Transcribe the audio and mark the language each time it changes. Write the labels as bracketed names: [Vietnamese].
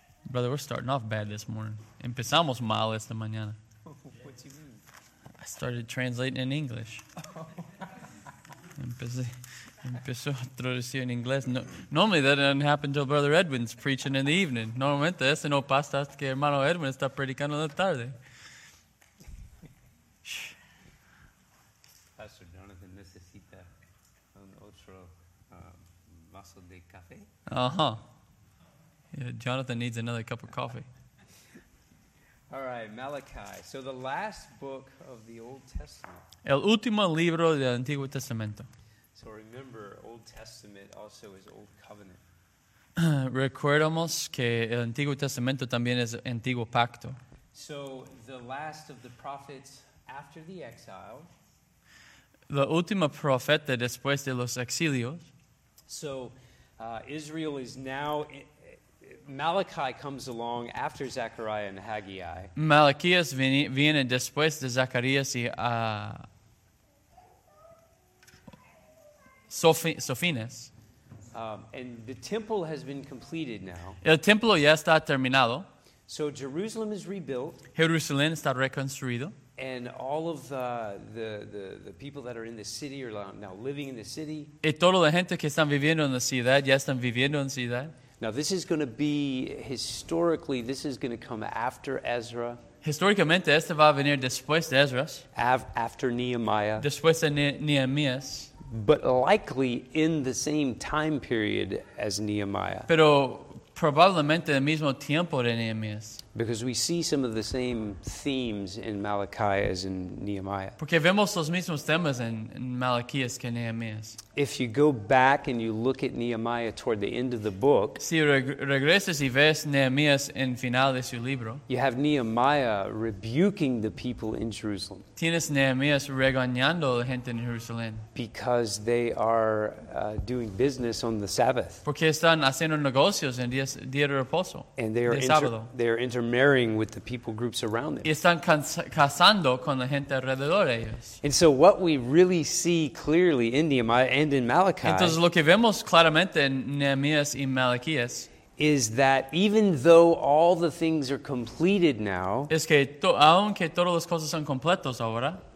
[English] Brother, we're starting off bad this morning. [Spanish] Empezamos mal esta mañana. [English] I started translating in English. [Spanish] Empezó a traducir en inglés. [English] Normally that doesn't happen until Brother Edwin's preaching in the evening. [Spanish] Normalmente eso no pasa hasta que hermano Edwin está predicando en la tarde. Pastor Jonathan necesita un otro vaso de café. [English] Yeah, Jonathan needs another cup of coffee. All right, Malachi. So the last book of the Old Testament. [Spanish] El último libro del Antiguo Testamento. [English] So remember, Old Testament also is Old Covenant. [Spanish] Recordemos que el Antiguo Testamento también es Antiguo Pacto. [English] So the last of the prophets after the exile. [Spanish] La última profeta después de los exilios. [English] So Israel is now... Malachi comes along after Zechariah and Haggai. [Spanish] Malaquías viene después de Zacarías y Sofines. [English] And the temple has been completed now. [Spanish] El templo ya está terminado. [English] So Jerusalem is rebuilt. [Spanish] Jerusalén está reconstruido. [English] And all of the people that are in the city are now living in the city. [Spanish] Y toda la gente que están viviendo en la ciudad ya están viviendo en la ciudad. [English] Now, this is going to be, historically, this is going to come after Ezra. [Spanish] Historicamente, este va a venir después de Ezra. [English] After Nehemiah. [Spanish] Después de Nehemías. [English] But likely in the same time period as Nehemiah. [Spanish] Pero probablemente el mismo tiempo de Nehemías. [English] Because we see some of the same themes in Malachi as in Nehemiah. [Spanish] Porque vemos los mismos temas en Malaquías que en Nehemías. [English] If you go back and you look at Nehemiah toward the end of the book, [Spanish] si regresas y ves Nehemías en final de su libro, [English] you have Nehemiah rebuking the people in Jerusalem. [Spanish] Tienes Nehemías regañando a la gente en Jerusalén. [English] Because they are doing business on the Sabbath. [Spanish] Porque están haciendo negocios en día de reposo. [English] And they are intermarrying with the people groups around them. [Spanish] Y están casando con la gente alrededor de ellos. [English] And so what we really see clearly in Nehemiah and in Malachi. [Spanish] Entonces lo que vemos claramente en Nehemías y Malaquías [English] is that even though all the things are completed now, [Spanish] es que aunque todas las cosas son completos ahora,